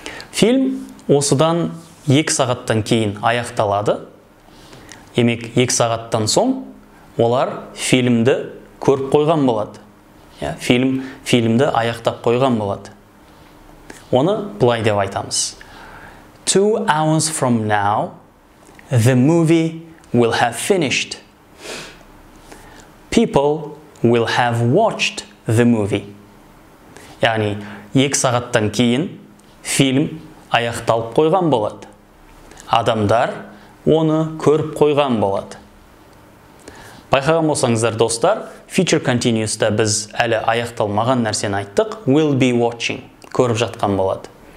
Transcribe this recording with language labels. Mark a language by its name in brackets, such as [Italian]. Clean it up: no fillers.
[Kazakh] Фильм осыдан 2 сағаттан кейін аяқталады. Демек 2 сағаттан соң олар фильмді көріп қойған болады. Фильмді аяқтап қойған болады. Оны былай деп айтамыз. [English] 2 hours from now, the movie will have finished. People will have watched the movie. [Kazakh] Яғни, 2 сағаттан кейін фильм аяқталып қойған болады. Адамдар оны көріп қойған болады. Байқаған болсаңыздар, достар, future continuous-та біз әлі аяқталмаған нәрсені айттық, [English] will be watching, [Kazakh] көріп жатқан болады.